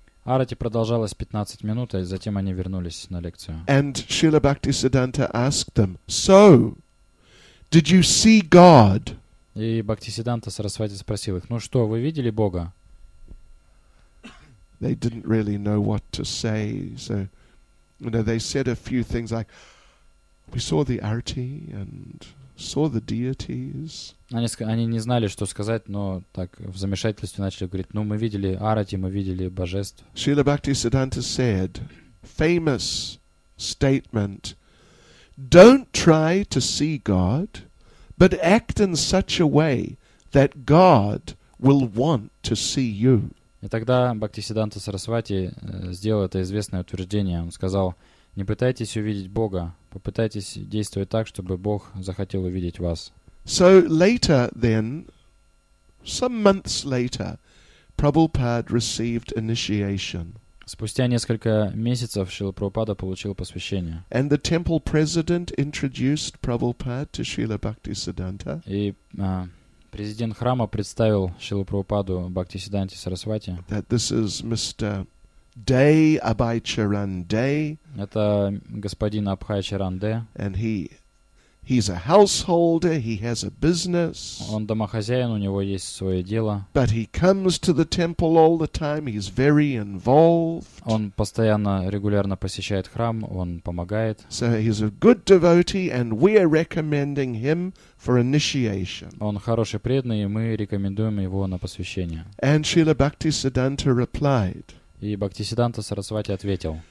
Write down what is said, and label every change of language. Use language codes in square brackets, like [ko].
[ru] Арати продолжалась 15 минут, и затем они вернулись на лекцию. [en] And Srila Bhaktisiddhanta asked them, "So, did you see God?" [ru] И Бхактисиддханта Сарасвати спросил их, "Ну что, вы видели Бога?" [en] They didn't really know what to say, so, you know, they said a few things like, "We saw the arati and saw the deities." [ru] Они не знали, что сказать, но так в замешательстве начали говорить: "Ну, мы видели арати, мы видели божеств." [en] Srila Bhaktisiddhanta said, famous statement: "Don't try to see God, but act in such a way that God will want to see you." [ru] И тогда Бхактисиддханта Сарасвати сделал это известное утверждение. Он сказал: "Не пытайтесь увидеть Бога, попытайтесь действовать так, чтобы Бог захотел увидеть вас." [en] So later then, Some months later, Prabhupada received initiation. [ru] Спустя несколько месяцев Шрила Прабхупада получил посвящение. [en] And the temple president introduced Prabhupada to Srila Bhaktisiddhanta. [ru] И президент храма представил Шрилу Прабхупаду Бхактисиддханте Сарасвати. [en] That this is Mr. Day Abhay Charan Day. [ru] Это господин Абхай Чаран Дэ. [en] And he's a householder, he has a business. [ru] Он домохозяин, у него есть свое дело. [en] But he comes to the temple all the time, he's very involved. [ru] Он постоянно, регулярно посещает храм, он помогает. [en] So he's a good devotee and we are recommending him for initiation. [ru] Он хороший преданный, и мы рекомендуем его на посвящение. [en] And Srila Bhaktisiddhanta replied. [ru] И Бхактисиддханта Сарасвати ответил.